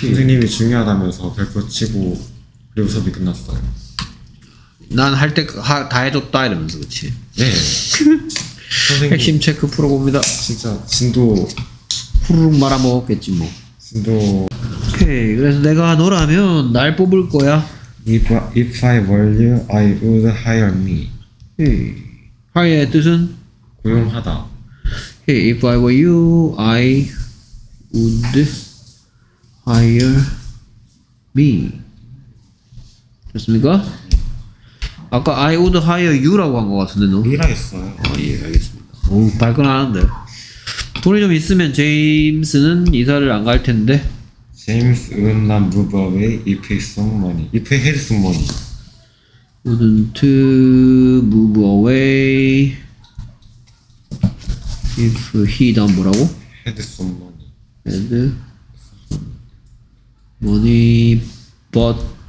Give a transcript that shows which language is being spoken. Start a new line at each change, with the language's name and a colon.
Korean: 선생님이 중요하다면서 별표 치고 그리고서 수업이 끝났어요. 난 할 때 다 해줬다 이러면서 그치? 네 선생님 핵심 체크 풀어봅니다. 진짜 진도 후루룩 말아먹었겠지 뭐. 진도. 오케이. 그래서 내가 너라면 날 뽑을 거야.
English: If I were you, I would hire me.
Korean: 오케이. Hire의 뜻은? 고용하다.
English: Okay, if I were you, I would hire me.
Korean: 됐습니까? 아까
English: I would hire you
Korean: 라고 한 것 같은데 너? 미라했어요. 아 예, 알겠습니다. 오, 발끈하는데. 돈이 좀 있으면 제임스는 이사를 안 갈 텐데.
English: James would not move away if he had some money. If he had some money. Wouldn't move away if he done
Korean: 뭐라고?
English: Had some money. Had money, but